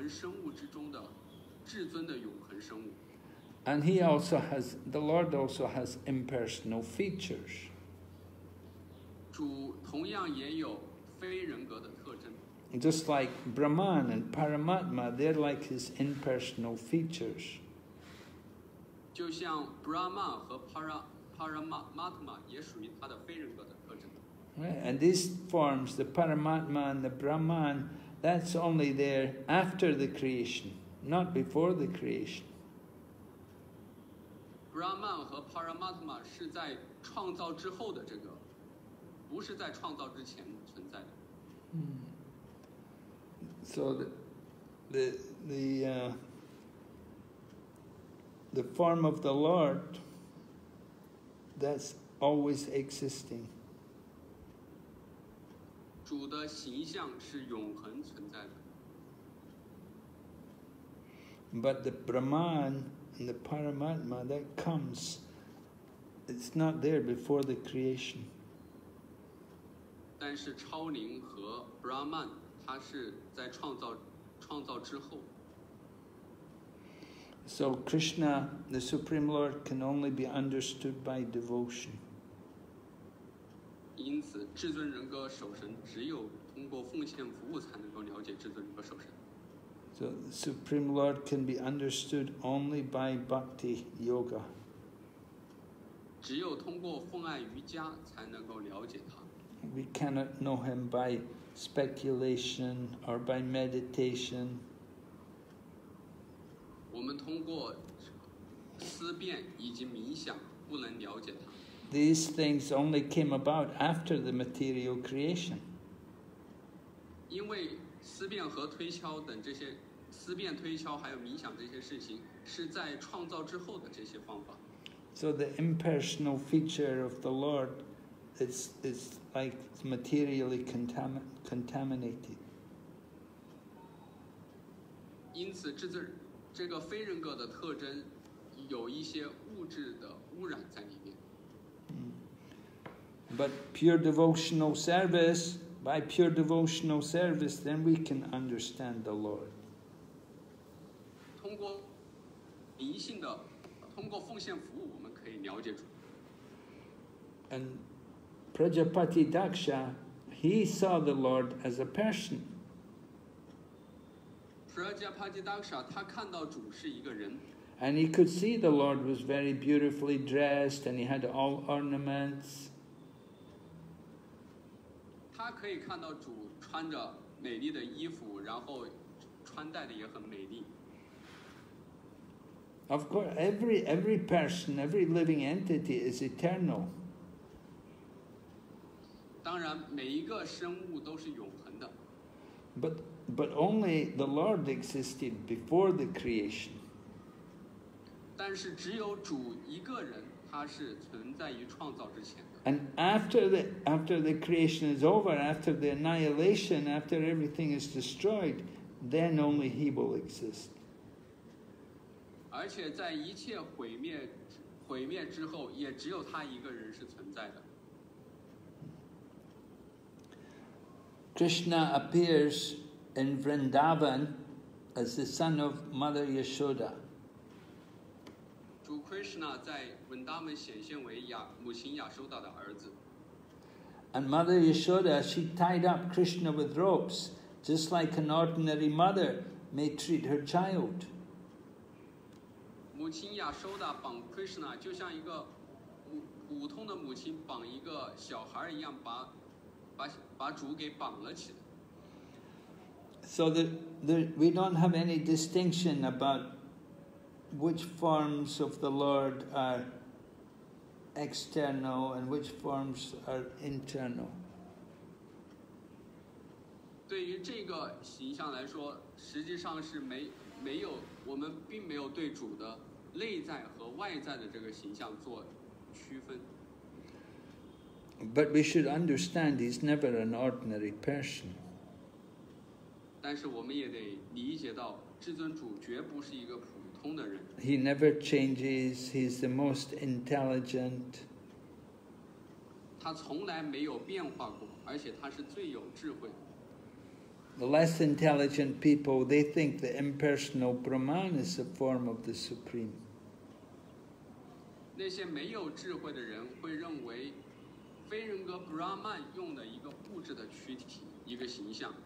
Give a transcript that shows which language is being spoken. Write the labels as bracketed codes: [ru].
[zh] 主是无数永恒者永恒生物之中的至尊的永恒生物。 [en] And he also has, the Lord also has impersonal features. [zh] 主同样也有非人格的特征。 [en] Just like Brahman and Paramatma, they're like his impersonal features. Right. And these forms, the Paramatma and the Brahman, that's only there after the creation. not before the creation. [zh] Brahman 和 Paramatma 是在创造之后的这个，不是在创造之前存在的。 [en] So the form of the Lord that's always existing. [zh] 主的形象是永恒存在的。 [en] But the Brahman and the Paramatma that comes, it's not there before the creation. [zh] 但是超灵和 Brahman 它是在创造之后。 [en] So Krishna, the Supreme Lord, can only be understood by devotion. [zh] 因此至尊人格守神只有通过奉献服务才能够了解至尊人格守神。 [en] So the Supreme Lord can be understood only by Bhakti Yoga. [zh] 只有通过奉爱瑜伽才能够了解他。 [en] We cannot know him by speculation or by meditation. [zh] 我们通过思辨以及冥想不能了解他。 [en] These things only came about after the material creation. [zh] 因为思辨和推敲等这些思辨推敲还有冥想这些事情是在创造之后的这些方法。 [en] So the impersonal feature of the Lord is like materially contaminated. [zh] 因此这个非人格的特征有一些物质的污染在里面。 [en] But pure devotional service, by pure devotional service, then we can understand the Lord. [zh] 通过灵性的，通过奉献服务，我们可以了解主。 [en] And Prajapati Daksha, he saw the Lord as a person. [zh] Prajapati Daksha, 他看到主是一个人。 [en] And he could see the Lord was very beautifully dressed, and he had all ornaments. [zh] 他可以看到主穿着美丽的衣服，然后穿戴的也很美丽。 [en] Of course, every person, every living entity is eternal. [zh] 当然，每一个生物都是永恒的。 [en] But only the Lord existed before the creation. [zh] 但是只有主一个人，他是存在于创造之前的。 [en] And after the creation is over, after the annihilation, after everything is destroyed, then only he will exist. [zh] 而且在一切毁灭之后，也只有他一个人是存在的。 [en] Krishna appears in Vrindavan as the son of Mother Yashoda. [zh] 主 Krishna 在 Vrindavan 显现为母亲亚修达的儿子。 [en] And Mother Yashoda, she tied up Krishna with ropes, just like an ordinary mother may treat her child. [zh] 母亲亚修达绑 Krishna 就像一个普通的母亲绑一个小孩一样把主给绑了起来。 [en] So we don't have any distinction about which forms of the Lord are external and which forms are internal. [zh] 对于这个形象来说，实际上是没有，我们并没有对主的内在和外在的这个形象做区分。 [en] But we should understand he's never an ordinary person. [zh] 但是我们也得理解到，至尊主绝不是一个普通的人。 [en] He never changes. He's the most intelligent. [zh] 他从来没有变化过，而且他是最有智慧的。 [en] The less intelligent people, they think the impersonal Brahman is a form of the Supreme. [zh] 那些没有智慧的人会认为非人格 Brahman 用的一个物质的躯体，一个形象。